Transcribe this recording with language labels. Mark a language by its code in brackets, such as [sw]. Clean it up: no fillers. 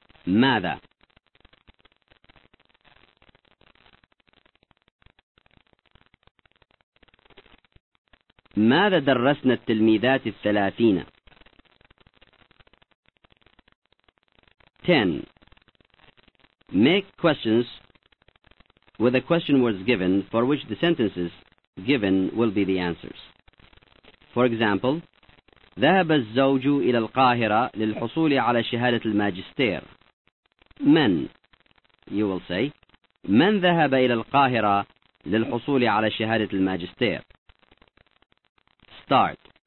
[ar] ماذا؟ ماذا درسنا التلميذات الثلاثين؟ 10. [en] Make questions with the question words given for which the sentences given will be the answers. [ar] For example, ذهب الزوج إلى القاهرة للحصول على شهادة الماجستير. من؟ You will say, من ذهب إلى القاهرة للحصول على شهادة الماجستير؟ Start.